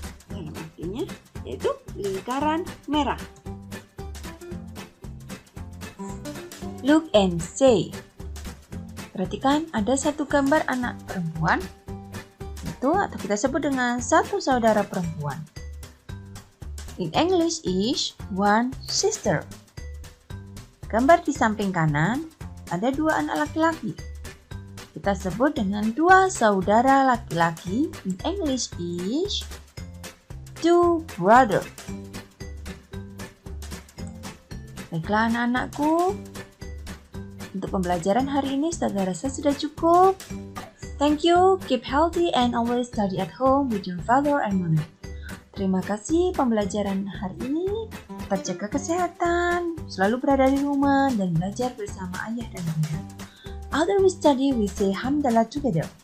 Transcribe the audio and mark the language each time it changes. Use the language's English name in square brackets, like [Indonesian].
[Indonesian] Dalam artinya, yaitu lingkaran merah. [English] Look and say. [Indonesian] Perhatikan ada satu gambar anak perempuan. Itu atau kita sebut dengan satu saudara perempuan. [English] In English is one sister. [Indonesian] Gambar di samping kanan ada dua anak laki-laki. Kita sebut dengan dua saudara laki-laki. [English] In English is two brother. [Indonesian] Baiklah anak-anakku, untuk pembelajaran hari ini saya rasa sudah cukup. [English] Thank you, keep healthy and always study at home with your father and mother. [Indonesian] Terima kasih pembelajaran hari ini. Tetap jaga kesehatan, selalu berada di rumah dan belajar bersama ayah dan bunda. [English] After we study, we say hamdalah together.